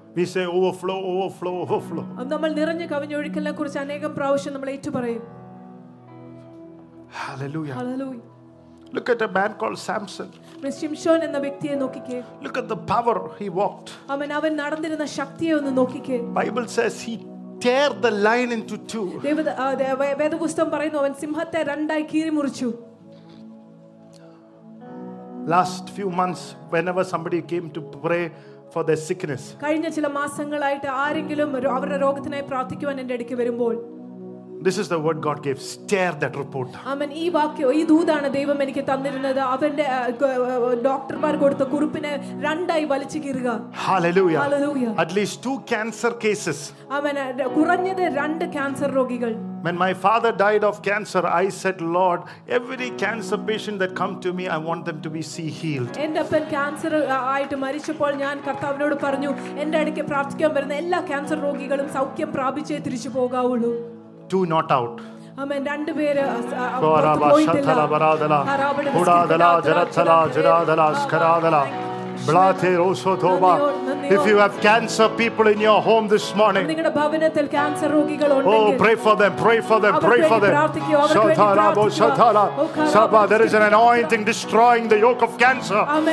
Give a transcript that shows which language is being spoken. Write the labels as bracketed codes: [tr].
[en] We say overflow, overflow, overflow. [ml] നമ്മൾ നിറഞ്ഞു കവിഞ്ഞു ഒഴുക്കല്ല കുറച്ച് അനേകം പ്രാവശ്യം നമ്മൾ ഏറ്റു പറയും. [en] Hallelujah. Hallelujah. Look at a man called Samson. [ml] ശിംശോൻ എന്ന വ്യക്തിയെ നോക്കിക്കേ. [en] Look at the power he walked. [ml] അവൻ നടന്നിരുന്ന ശക്തിയെ ഒന്ന് നോക്കിക്കേ. [en] Bible says he tear the lion into two. [ml] വേദപുസ്തകം പറയുന്നു അവൻ സിംഹത്തെ രണ്ടായി കീറിമുറിച്ചു. [en] Last few months whenever somebody came to pray for their sickness. [ml] കഴിഞ്ഞ ചില മാസങ്ങളായിട്ട് ആരെങ്കിലും അവരുടെ രോഗത്തിനായി പ്രാർത്ഥിക്കുവാൻ എൻ്റെ അടുക്കൽ വരുമ്പോൾ. [en] This is the word God gave. Stare that report. Amen. [ml] ഈ വാക്യം ഈ ദൂതാണ് ദൈവം എനിക്ക് തന്നിരുന്നത് അവന്റെ ഡോക്ടർമാർ കൊടുത്ത കുറിപ്പിനെ രണ്ടായി വലിച്ചു കീറുക. [en] Hallelujah. Hallelujah. At least two cancer cases. [ml] Amen. കുറഞ്ഞത് രണ്ട് കാൻസർ രോഗികൾ. [en] When my father died of cancer, I said, Lord, every cancer patient that come to me, I want them to be see healed. [ml] എന്റെ അപ്പൻ cancer ആയിട്ട് മരിച്ചപ്പോൾ ഞാൻ കർത്താവിനോട് പറഞ്ഞു എന്റെ അടുക്കൽ പ്രാർത്ഥിക്കാൻ വരുന്ന എല്ലാ കാൻസർ രോഗികളും സൗഖ്യം പ്രാപിച്ചേ തിരിച്ചു പോകാവുള്ളൂ. [en] Two not out. [ml] Amen. രണ്ട് പേര് പോയിട്ടില്ല. ബരാദല ഉടാദല ജരതല ജരാദല സ്കരാദല ബ്ലാതെ റോസോതോബ. [en] If you have cancer people in your home this morning, [ml] നിങ്ങളുടെ ഭവനത്തിൽ കാൻസർ രോഗികൾ ഉണ്ടെങ്കിൽ, [en] oh, pray for them, pray for them, pray for them. ശതാ ബോ ശതാ സബാ. There is an anointing destroying the yoke of cancer.